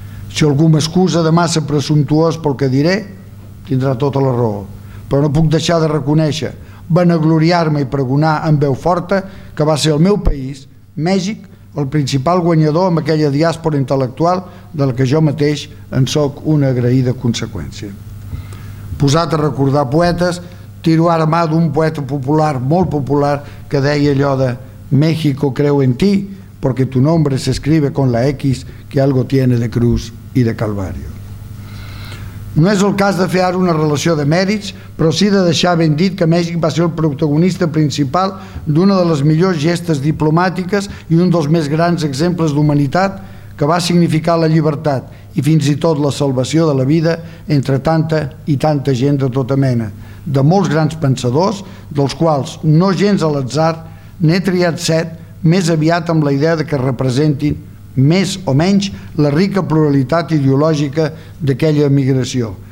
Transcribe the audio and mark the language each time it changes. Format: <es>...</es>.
<ca>Si algú m'excusa de massa presumptuós pel que diré, tindrà tota la raó, però no puc deixar de reconèixer, vanagloriar-me i pregonar amb veu forta que va ser el meu país, Mèxic, el principal guanyador amb aquella diàspora intel·lectual de la que jo mateix en sóc una agraïda conseqüència. Posat a recordar poetes, tiro ara mà d'un poeta popular, molt popular, que deia allò de</ca> <es>«México creo en ti, porque tu nombre se escribe con la X que algo tiene de cruz y de calvario».</es> <ca>No és el cas de fer ara una relació de mèrits, però sí de deixar ben dit que Mèxic va ser el protagonista principal d'una de les millors gestes diplomàtiques i un dels més grans exemples d'humanitat que va significar la llibertat i fins i tot la salvació de la vida entre tanta i tanta gent de tota mena, de molts grans pensadors, dels quals, no gens a l'atzar, n'he triat set més aviat amb la idea de que representin més o menys la rica pluralitat ideològica d'aquella emigració.</ca>